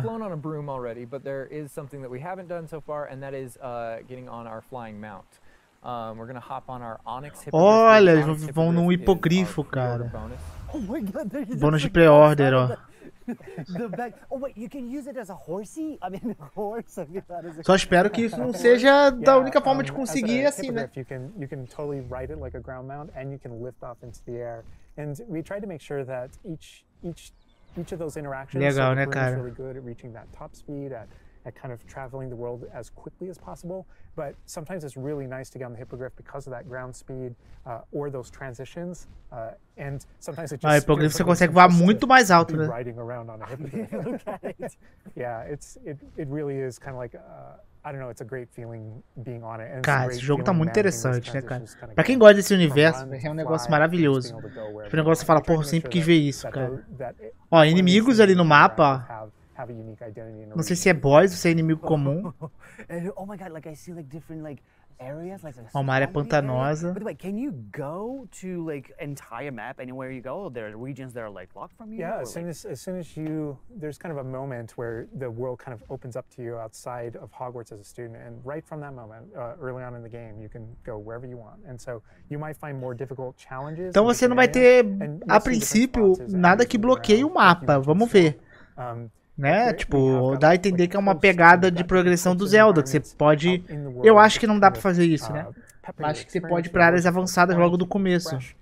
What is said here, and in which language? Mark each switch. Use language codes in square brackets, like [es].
[en] Flown on a broom already, but there is something that we haven't done so far, and that is getting on our flying mount. We're gonna hop on our onyx [pt] hippogriff. Olha, eles vão num hipogrifo, cara. [en] Oh my god, there [pt] is bônus de pré-order, ó. [en] The back. Oh wait, you can use it as a horsey? I mean, a horse. [pt] Só espero que isso não seja da única forma de conseguir assim, né? [en] You can totally ride it like a ground mount, and you can lift off into the air. And we try to make sure that each of those interactions [pt] legal, [en] so [pt] né, cara? [en] Is really good at reaching that top speed, at kind of traveling the world as quickly as possible. But sometimes it's really nice to get on the hippogriff because of that ground speed or those transitions. And sometimes it just [pt] ah, hippogriff você consegue voar muito mais alto, né? [en] Riding around on a hippogriff. Yeah, it really is kind of like I don't know, it's a great feeling being on it. And [pt] cara, esse jogo tá muito interessante, né, cara? Pra quem gosta desse universo, é um negócio maravilhoso. O tipo, negócio fala, porra, sempre quis ver isso, cara. Ó, inimigos ali no mapa. Não sei se é boss ou se é inimigo comum. [en] Oh my god, like I see like different like areas, like [pt] a uma área pantanosa. [en] But wait, can you go to like entire map anywhere you go? There are regions that are like locked from you. Yeah, as soon as you there's kind of a moment where the world kind of opens up to you outside of Hogwarts as a student, and right from that moment, early on in the game, you can go wherever you want. And so you might find more difficult challenges. [pt] Então você não vai ter a princípio nada que bloqueie o mapa. Vamos ver. Né, tipo, dá a entender que é uma pegada de progressão do Zelda, que você pode, eu acho que não dá pra fazer isso, né, acho que você pode ir pra áreas avançadas logo do começo.